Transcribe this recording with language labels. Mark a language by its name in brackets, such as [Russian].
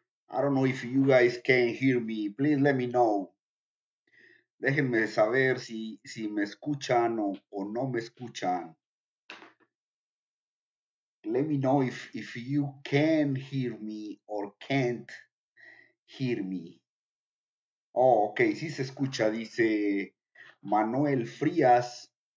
[English] I don't know if you guys can hear me. Please let me know. [Spanish] Déjenme saber si me escuchan o no me escuchan. [English] Let me know if you can hear me or can't hear me. [Spanish] Oh, okay, sí se escucha, dice Manuel Frías.